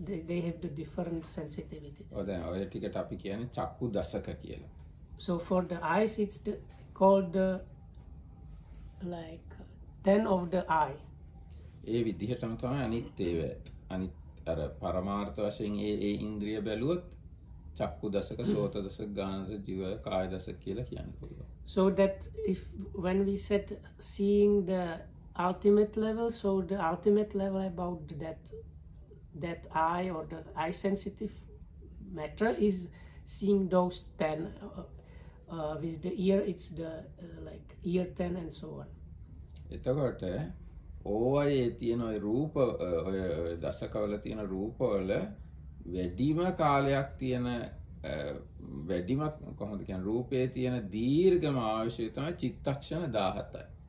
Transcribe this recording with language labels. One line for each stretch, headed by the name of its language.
English: They have the different sensitivity. Oh, then
Sinhala: ඔය ටික අපි කියන්නේ චක්කු දසක කියලා.
English: So for the eyes, it's the, called the like 10 of the eye.
Sinhala: ඒ විදිහටම තමයි අනිත් ඒව අනිත් අර පරමාර්ථ වශයෙන් ඒ ඉන්ද්‍රිය බැලුවොත් චක්කු දසක සෝත දසක ගාන දසක ජීව කාය දසක කියලා කියන්න පුළුවන්.
English: So that if when we said seeing the ultimate level, so the ultimate level about that eye or the eye sensitive matter is seeing those 10, with the ear it's the like ear 10 and so on.
Sinhala: එතකොට ඔයයේ තියෙන ওই රූප ඔය දසකවල තියෙන රූප වල වැඩිම කාලයක් තියෙන වැඩිම කොහොමද කියන්නේ රූපයේ තියෙන දීර්ඝම ආයුෂය තමයි චිත්තක්ෂණ 17යි.